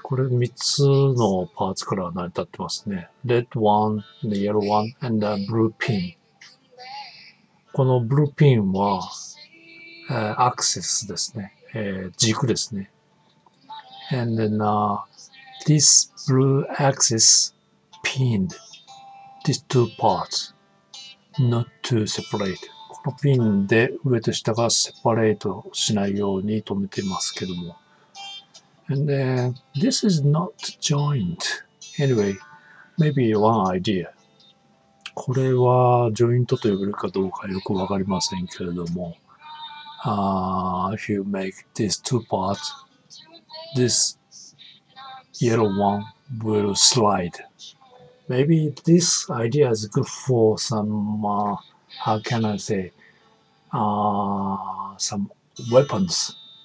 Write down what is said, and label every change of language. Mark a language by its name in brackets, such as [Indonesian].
[Japanese] これ三つのパーツから成り立ってますね。 [English] Red one, the yellow one, and the blue pin. [Japanese] この blue pin は、アクセスですね。軸ですね。 [English] And then, this blue axis pinned these two parts, not to separate. [Japanese] このピンで上と下がセパレートしないように留めてますけども。 [English] And then, this is not joint. Anyway, maybe one idea. [Japanese] これはジョイントと呼べるかどうかよくわかりませんけれども。 [English] If you make these two parts, this yellow one will slide. Maybe this idea is good for some, how can I say, some weapons.